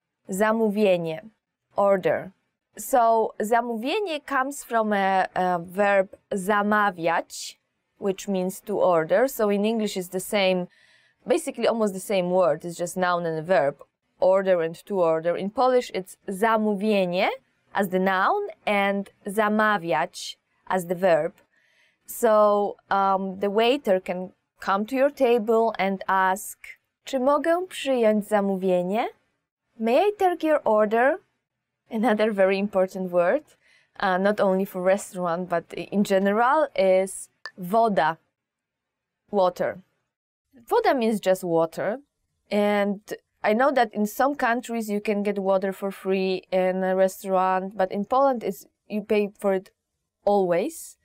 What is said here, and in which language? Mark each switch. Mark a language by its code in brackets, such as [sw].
[en] Zamówienie, order. So zamówienie comes from a verb zamawiać, which means to order. So in English it's the same, basically almost the same word. It's just noun and a verb, order and to order. In Polish it's zamówienie as the noun and zamawiać as the verb. So the waiter can come to your table and ask, [pl] czy mogę przyjąć zamówienie? [en] May I take your order? Another very important word, not only for restaurant, but in general, is woda, water. Woda means just water. And I know that in some countries you can get water for free in a restaurant, but in Poland is you pay for it always.